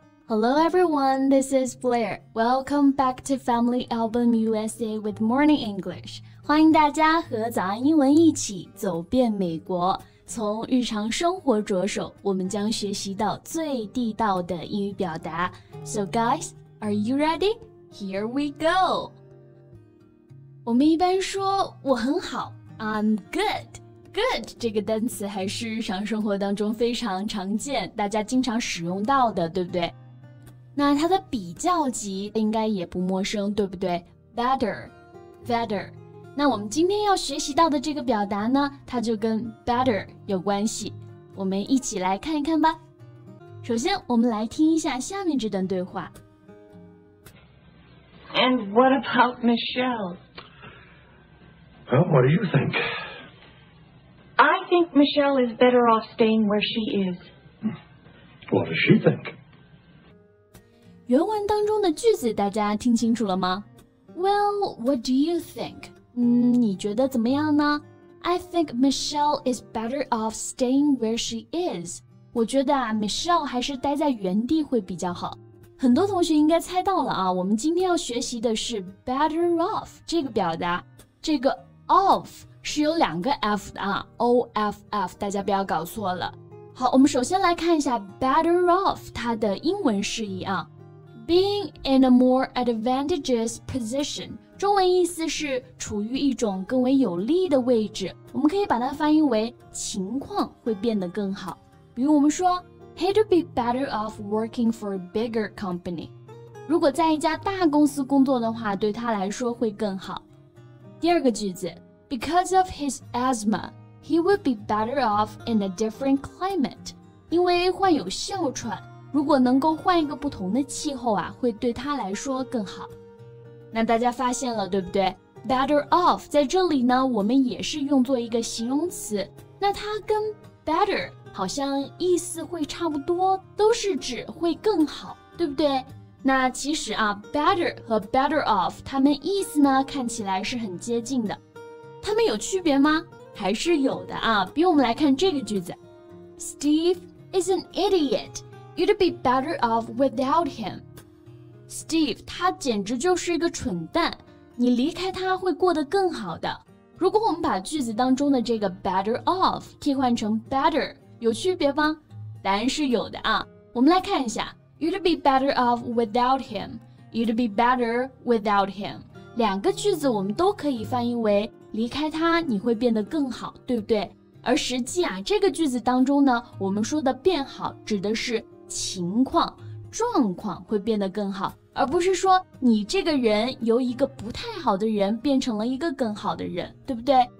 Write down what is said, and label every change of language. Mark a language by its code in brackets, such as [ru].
[en] Hello everyone, this is Blair. Welcome back to Family Album USA with Morning English. [zh] 欢迎大家和早安英文一起走遍美国。从日常生活着手，我们将学习到最地道的英语表达。 [en] So guys, are you ready? Here we go! [zh] 我们一般说我很好 [en] I'm good. [zh] Good 这个单词还是日常生活当中非常常见，大家经常使用到的，对不对？那它的比较级应该也不陌生，对不对？ Better 那我们今天要学习到的这个表达呢，它就跟 better 有关系，我们一起来看一看吧。首先我们来听一下下面这段对话。 [en] And what about Michelle? Well, what do you think I think Michelle is better off staying where she is. What does she think? [zh] 原文当中的句子大家听清楚了吗？ [en] Well, what do you think? [zh] 你觉得怎么样呢？ [en] I think Michelle is better off staying where she is. [zh] 我觉得啊 ,Michelle 还是待在原地会比较好。很多同学应该猜到了啊，我们今天要学习的是 better off 这个表达，这个 off是有两个 F 的啊 ,OFF, 大家不要搞错了。好，我们首先来看一下 better off 它的英文释义啊。 [en] Being in a more advantageous position, [zh] 中文意思是处于一种更为有利的位置，我们可以把它翻译为情况会变得更好。比如我们说 [en] ,he'd be better off working for a bigger company. [zh] 如果在一家大公司工作的话，对他来说会更好。第二个句子， [en] Because of his asthma, he would be better off in a different climate. [zh] 因为患有哮喘，如果能够换一个不同的气候啊，会对他来说更好。那大家发现了，对不对？Better off 在这里呢，我们也是用作一个形容词。那它跟 better 好像意思会差不多，都是指会更好，对不对？那其实啊 ，better 和 better off 它们意思呢，看起来是很接近的。他们有区别吗？还是有的啊。比如我们来看这个句子。 [en] Steve is an idiot. You'd be better off without him. [zh] Steve, 他简直就是一个蠢蛋。你离开他会过得更好的。如果我们把句子当中的这个 better off 替换成 better, 有区别吗？答案是有的啊。我们来看一下。 [en] You'd be better off without him. You'd be better without him. [zh] 两个句子我们都可以翻译为离开他你会变得更好，对不对？而实际啊，这个句子当中呢，我们说的变好指的是情况状况会变得更好，而不是说你这个人由一个不太好的人变成了一个更好的人，对不对？